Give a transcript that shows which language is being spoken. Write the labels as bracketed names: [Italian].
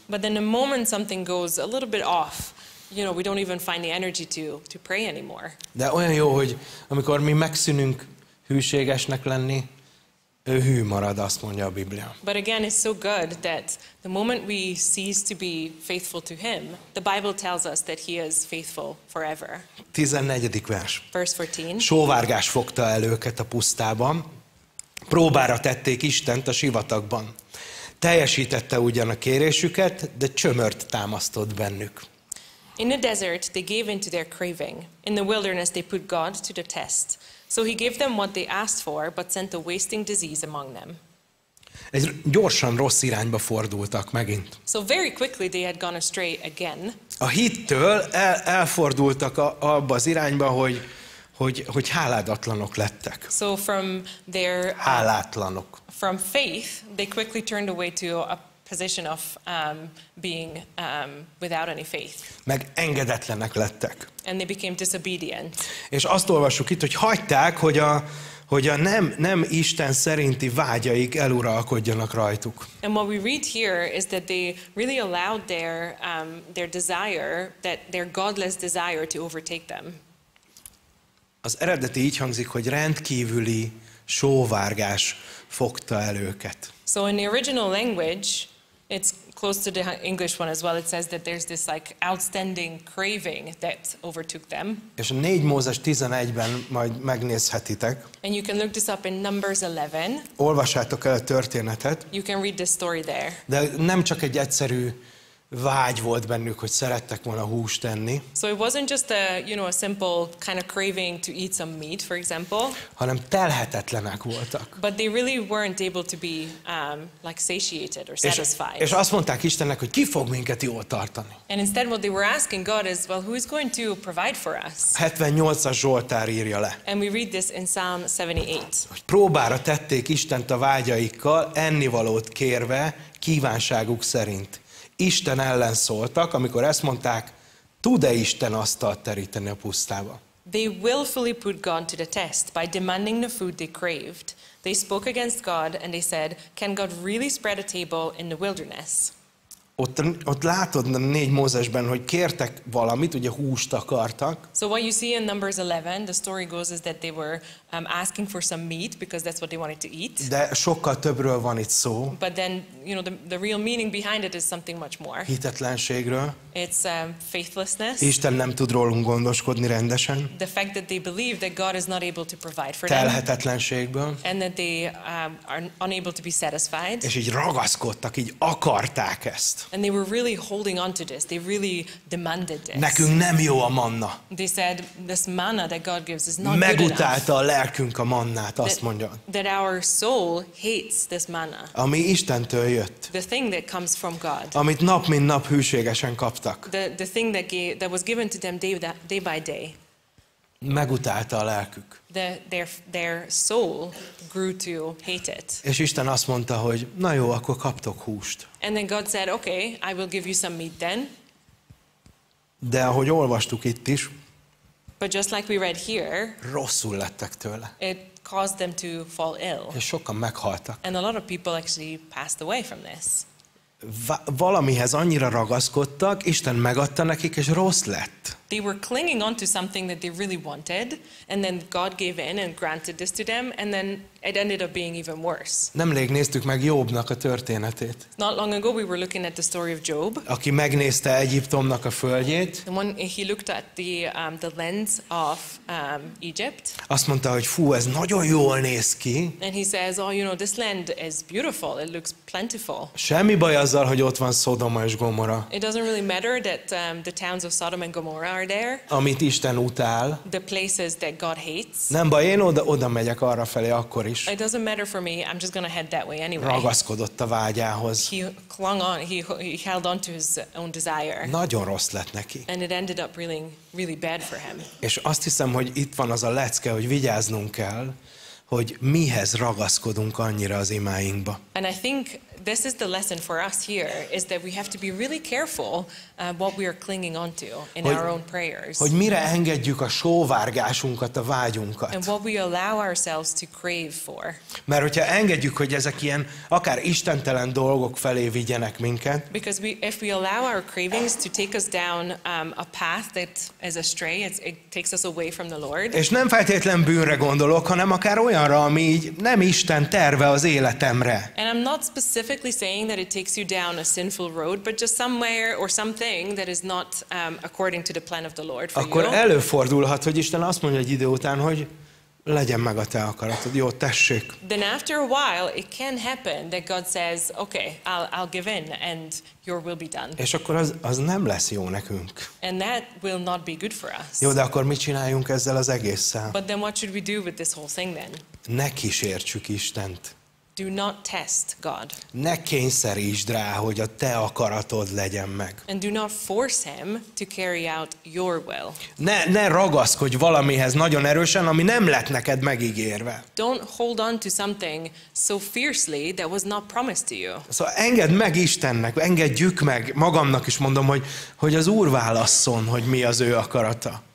[English] But then the moment something goes a little bit off, you know, we don't even find the energy to pray anymore. [Hungarian] De olyan jó, hogy amikor mi megszűnünk hűségesnek lenni, ő hű marad, azt mondja a Biblia. [English] But again, it's so good that the moment we cease to be faithful to him, the Bible tells us that he is faithful forever. [Hungarian] 14. vers. [English] Verse 14. [Hungarian] Sóvárgás fogta el őket a pusztában. Próbára tették Istent a sivatagban. Teljesítette ugyan a kérésüket, de csömört támasztott bennük. [English] In the desert, they gave in to their craving. In the wilderness, they put God to the test. So he gave them what they asked for, but sent a wasting disease among them. [Hungarian] Egy gyorsan rossz irányba fordultak megint. [English] So very quickly they had gone astray again. [Hungarian] A hittől elfordultak abba az irányba, hogy háládatlanok lettek. [English] So from their [Hungarian] hálátlanok. [English] From faith, they quickly turned away to a position of being without any faith. [Hungarian] Meg engedetlenek lettek. [English] And they became disobedient. [Hungarian] És azt olvassuk itt, hogy hagyták, hogy a nem Isten szerinti vágyaik eluralkodjanak rajtuk. [English] And what we read here is that they really allowed their desire, that their godless desire to overtake them. [Hungarian] Az eredeti így hangzik, hogy rendkívüli sóvárgás fogta el őket. [English] So in the original language, it's close to the English one as well. It says that there's this like outstanding craving that overtook them. [Hungarian] És a 4 Mózes 11-ben majd megnézhetitek. [English] And you can look this up in Numbers 11. [Hungarian] Olvassátok el a történetet. [English] You can read the story there. [Hungarian] De nem csak egy egyszerű vágy volt bennük, hogy szerettek volna húst enni. [English] So it wasn't just a, you know, a simple kind of craving to eat some meat, for example. [Hungarian] Hanem telhetetlenek voltak. [English] But they really weren't able to be like satiated or satisfied. [Hungarian] És azt mondták Istennek, hogy ki fog minket jól tartani. [English] And instead what they were asking God is, well, who is going to provide for us? [Hungarian] 78-as Zsoltár írja le. [English] And we read this in Psalm 78. [Hungarian] Hogy próbára tették Istent a vágyaikkal, ennivalót kérve, kívánságuk szerint. Isten ellen szóltak, amikor ezt mondták, tud-e Isten asztalt teríteni a pusztába? [English] They willfully put God to the test by demanding the food they craved. They spoke against God and they said, can God really spread a table in the wilderness? [Hungarian] Ott látod a 4 Mózesben, hogy kértek valamit, ugye húst akartak. [English] So what you see in Numbers 11, the story goes is that they were asking for some meat because that's what they wanted to eat. [Hungarian] De sokkal többről van itt szó. [English] But then, you know, the real meaning behind it is something much more. [Hungarian] Hitetlenségről. [English] It's faithlessness. [Hungarian] Isten nem tud rólunk gondoskodni rendesen. [English] The fact that they believe that God is not able to provide for them. [Hungarian] Telhetetlenségből. [English] And that they are unable to be satisfied. [Hungarian] És így ragaszkodtak, így akarták ezt. [English] And they were really holding on to this. They really demanded this. [Hungarian] Nekünk nem jó a manna. [English] They said this manna that God gives is not good enough. [Hungarian] Megutálta a lelkünk a mannát, azt mondja. [English] That our soul hates this manna. [Hungarian] Ami Istentől jött. [English] The thing that comes from God. [Hungarian] Amit nap mint nap hűségesen kaptak. [English] The thing that was given to them day by day. [Hungarian] Megutálta a lelkük. [English] Their soul grew to hate it. [Hungarian] És Isten azt mondta, hogy na jó, akkor kaptok húst. [English] And then God said, okay, I will give you some meat then. [Hungarian] De ahogy olvastuk itt is, [English] but just like we read here, [Hungarian] rosszul lettek tőle. [English] It caused them to fall ill. [Hungarian] És sokan meghaltak. [English] And a lot of people actually passed away from this. [Hungarian] Valamihez annyira ragaszkodtak, Isten megadta nekik, és rossz lett. [English] They were clinging on to something that they really wanted, and then God gave in and granted this to them, and then it ended up being even worse. [Hungarian] Nemrég néztük meg Jobnak a történetét. [English] Not long ago we were looking at the story of Job. [Hungarian] Aki megnézte Egyiptomnak a földjét. [English] The one he looked at the lens of Egypt. [Hungarian] Azt mondta, hogy fú, ez nagyon jól néz ki. [English] And he says, oh, you know, this land is beautiful. It looks plentiful. [Hungarian] Semmi baj azzal, hogy ott van Szodoma és Gomorra. [English] It doesn't really matter that the towns of Sodom and Gomorrah are there. [Hungarian] Amit Isten utál. [English] The places that God hates. [Hungarian] Nem baj, én oda megyek arra felé akkor. [English] It doesn't matter for me. I'm just going to head that way anyway. [Hungarian] Ragaszkodott a vágyához. [English] He clung on. He held on to his own desire. [Hungarian] Nagyon rossz lett neki. [English] And it ended up really, really bad for him. [Hungarian] És azt hiszem, hogy itt van az a lecke, hogy vigyáznunk kell, hogy mihez ragaszkodunk annyira az imáinkba. [English] And I think this is the lesson for us here, is that we have to be really careful what we are clinging on to in our own prayers. [Hungarian] Hogy mire engedjük a sóvárgásunkat, a vágyunkat. [English] And what we allow ourselves to crave for. [Hungarian] Mert hogyha engedjük, hogy ezek ilyen akár istentelen dolgok felé vigyenek minket. [English] Because if we allow our cravings to take us down a path that is astray, it takes us away from the Lord. [Hungarian] És nem feltétlen bűnre gondolok, hanem akár olyanra, ami így nem Isten terve az életemre. [English] And I'm not specifically saying that it takes you down a sinful road, but just somewhere or something that is not according to the plan of the Lord for [Hungarian] akkor [English] you. [Hungarian] Akkor előfordulhat, hogy Isten azt mondja egy idő után, hogy legyen meg a te akaratod. Jó, tessék. [English] Then after a while it can happen that God says, okay, I'll give in and your will be done. [Hungarian] És akkor az nem lesz jó nekünk. [English] And that will not be good for us. [Hungarian] Jó, de akkor mit csináljunk ezzel az egésszel? [English] But then what should we do with this whole thing then? [Hungarian] Ne kísértsük Istent. [English] Do not test God. [Hungarian] Ne kényszerítsd rá, hogy a te akaratod legyen meg. [English] And do not force him to carry out your will. [Hungarian] Ne ragaszkodj valamihez nagyon erősen, ami nem lett neked megígérve. [English] Don't hold on to something so fiercely that was not promised to you. [Hungarian] Szóval engedd meg Istennek, engedjük meg magamnak is, mondom, hogy az Úr válasszon, hogy mi az ő akarata.